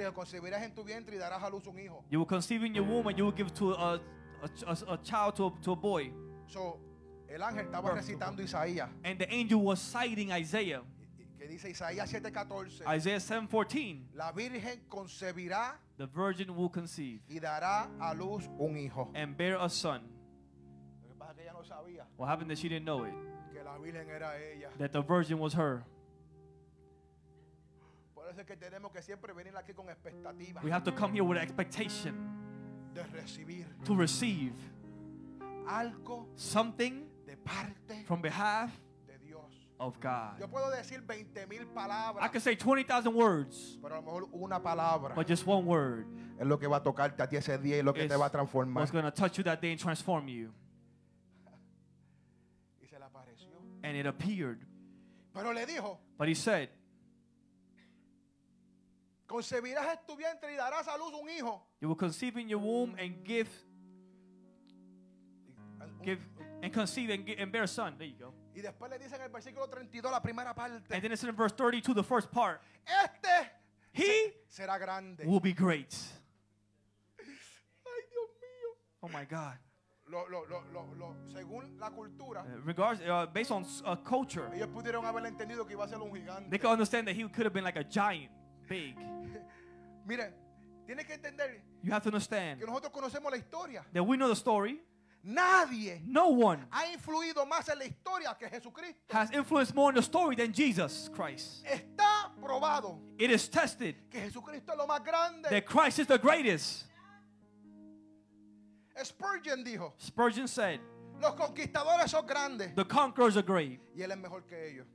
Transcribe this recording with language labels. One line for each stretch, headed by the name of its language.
Spanish: El ángel concebirás en tu vientre y darás a luz un hijo.
English: You will conceive in your womb and you will give to a child to a boy.
Spanish: So, el ángel estaba recitando Isaías.
English: And the angel was citing Isaiah.
Spanish: Que dice Isaías 7:14.
English: Isaiah 7:14.
Spanish: La virgen concebirá.
English: The virgin will conceive.
Spanish: Y dará a luz un hijo.
English: And bear a son.
Spanish: Lo que pasa es que ella no sabía.
English: What happened is she didn't know it.
Spanish: Que la virgen era ella.
English: That the virgin was her.
Spanish: Por eso es que tenemos que siempre venir aquí con expectativa.
English: We have to come here with expectation.
Spanish: De recibir.
English: To receive.
Spanish: Algo.
English: Something.
Spanish: De parte.
English: From behalf.
Spanish: De Dios.
English: Of God.
Spanish: Yo puedo decir 20,000 palabras.
English: I can say 20,000 words.
Spanish: Pero a lo mejor una palabra.
English: But just one word.
Spanish: Es lo que va a tocarte a ti ese día y lo que te va a transformar.
English: What's going to touch you that day and transform you.
Spanish: Y se le apareció.
English: And it appeared.
Spanish: Pero le dijo.
English: But he said.
Spanish: Concebirás en tu vientre y darás a luz un hijo.
English: You will conceive in your womb and bear a son. There you go.
Spanish: Y después le dice en el versículo 32 la primera parte.
English: And then it's in verse 32 the first part.
Spanish: Este
English: he
Spanish: será grande.
English: Will be great.
Spanish: Ay Dios mío.
English: Oh my God.
Spanish: Lo según la cultura.
English: Based on culture.
Spanish: Ellos pudieron haber entendido que iba a ser un gigante.
English: They could understand that he could have been like a giant. Big.
Spanish: Mira, tienes que entender.
English: You have to understand.
Spanish: Que nosotros conocemos la historia.
English: That we know the story.
Spanish: Nadie.
English: No one.
Spanish: Ha influido más en la historia que Jesucristo.
English: Has influenced more in the story than Jesus Christ.
Spanish: Está probado.
English: It is tested.
Spanish: Que Jesucristo es lo más grande.
English: That Christ is the greatest.
Spanish: Spurgeon dijo.
English: Spurgeon said.
Spanish: Los conquistadores son grandes.
English: The conquerors are great.
Spanish: Y él es mejor que ellos.